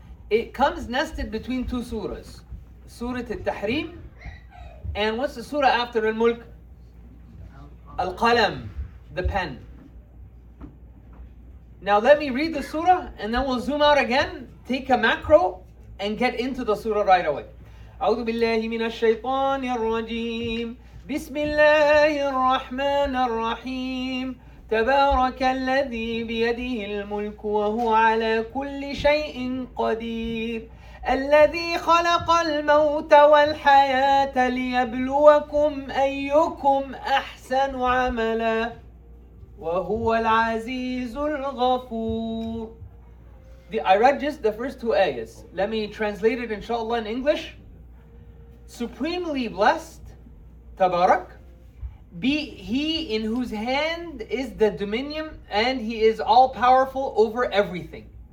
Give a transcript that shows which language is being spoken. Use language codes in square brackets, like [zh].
[en] It comes nested between two surahs. Surah Al-Tahrim, and what's the surah after Al-Mulk? Al-Qalam, the pen. Now let me read the surah, and then we'll zoom out again, take a macro, and get into the surah right away. [ar] أعوذ بالله من الشيطان الرجيم بسم الله الرحمن الرحيم تبارك الذي بيده الملك وهو على كل شيء قدير الذي خلق الموت والحياة ليبلوكم أيكم أحسن عملا وهو العزيز الغفور. [en] I read just the first two ayahs. Let me translate it inshallah in English. Supremely blessed, Tabarak, be He in whose hand is the dominion and He is all powerful over everything.